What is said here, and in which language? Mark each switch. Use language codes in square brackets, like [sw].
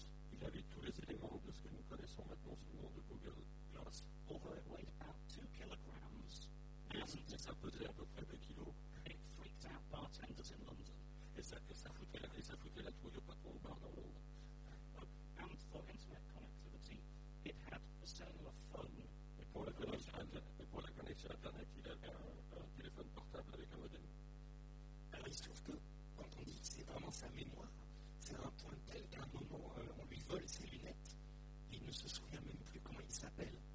[fr] Il avait tous les éléments de ce que nous connaissons maintenant sous le nom de Google Glass. [en] Although it weighed about 2 kilograms, [fr] et ça pesait à peu près 2 kilos. [en] It freaked out bartenders in London. [fr] Et ça foutait la trouille au patron au bar dans Londres. [en] And for internet connectivity, it had a cellular phone. [fr] Et pour la connexion internet, il avait un téléphone portable avec un modem. Alors il se trouve que, quand on dit que c'est vraiment sa mémoire, c'est un point tel qu'à un moment, on lui vole ses lunettes, et il ne se souvient même plus comment il s'appelle.